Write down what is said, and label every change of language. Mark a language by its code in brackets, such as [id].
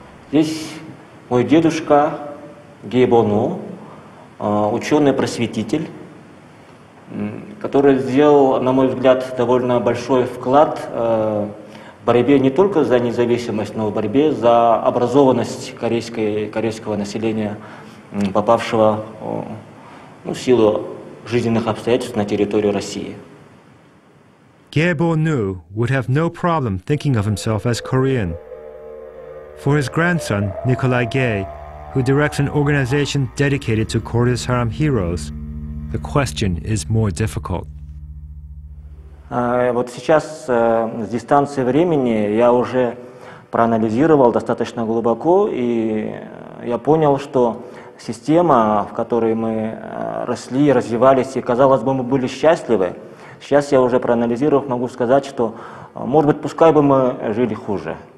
[ru] Здесь мой дедушка Гейбону, ученый-просветитель, который сделал, на мой взгляд, довольно большой вклад в борьбе не только за независимость, но и в борьбе за образованность корейского населения, попавшего в силу жизненных обстоятельств на территорию России. [en] Гейбону would have no problem thinking of himself as Korean. For his grandson, Николай Гей, who directs an organization dedicated to Koryo Saram heroes, the question is more difficult. [ru] Вот сейчас с дистанции времени я уже проанализировал достаточно глубоко, и я понял, что система, в которой мы росли, развивались, и, казалось бы, мы были счастливы, сейчас я уже проанализировав, могу сказать, что, может быть, пускай бы мы жили хуже.